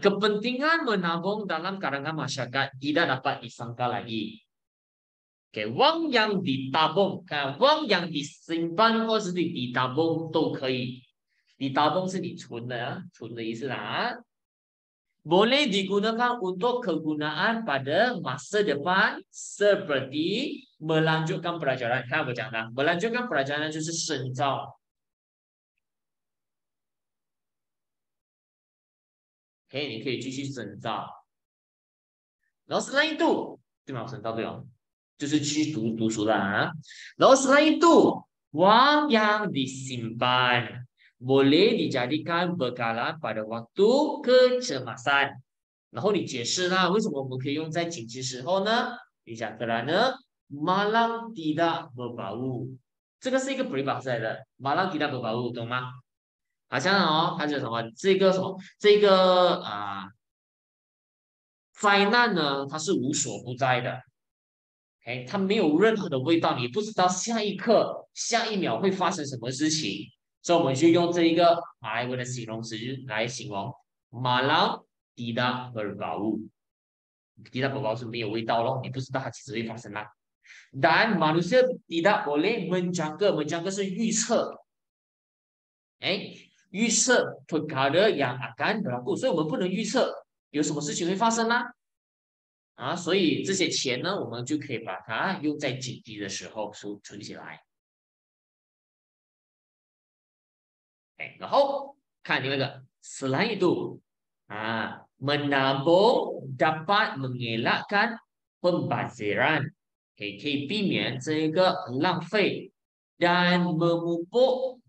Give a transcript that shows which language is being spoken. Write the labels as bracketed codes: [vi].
[ms] kepentingan menabung dalam kalangan masyarakat tidak dapat disangka lagi. Okay, wang yang ditabung, kan? Wang yang disimpan atau ditabung, [zh] 都可以. Ditabung 是你存的，存的意思啦。 [ms] Boleh digunakan untuk kegunaan pada masa depan seperti melanjutkan pelajaran. Kan aku cakap, melanjutkan pelajaran [zh] 就是深造。 Okay, 你可以继续深造，然后 slide two 对吗？深造对哦，就是继续读书啦、啊。然后 [ms] slide two， wang yang disimpan boleh dijadikan bekalan pada waktu kecemasan。 [zh] 然后你解释啦，为什么我们可以用在紧急时候呢？你讲得来呢 ？ [ms] malang tidak berbau， [zh] 这个是一个peribahasa的 ，malang tidak berbau， 懂吗？好像哦，它是什么？这个灾难呢？它是无所不在的 ，OK， 它没有任何的味道，你不知道下一刻、下一秒会发生什么事情，所以我们就用这一个来文的形容词来形容 [ms] malang tidak berbau， tidak berbau [zh] 是没有味道咯，你不知道它其实会发生啦。 [ms] Dan manusia tidak boleh menjangka [zh] 是预测，哎。预测 [ms] perkara yang akan berlaku， [zh] 所以我们不能预测有什么事情会发生呢、啊？啊，所以这些钱呢，我们就可以把它用在紧急的时候存起来。哎，然后看另外一个 slide itu， 啊 ， [ms] menabung dapat mengelakkan pembaziran， [zh] 可以避免这一个浪费 ， [ms] dan memupuk。